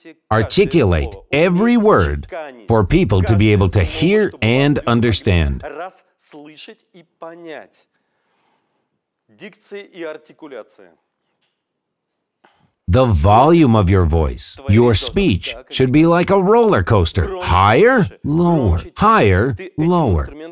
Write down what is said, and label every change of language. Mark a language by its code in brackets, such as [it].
[en] Articulate every word for people to be able to hear and understand. [ru] Слышать и понять. Дикция и артикуляция. [en] The volume of your voice, your speech, should be like a roller coaster. Higher, lower, higher, lower.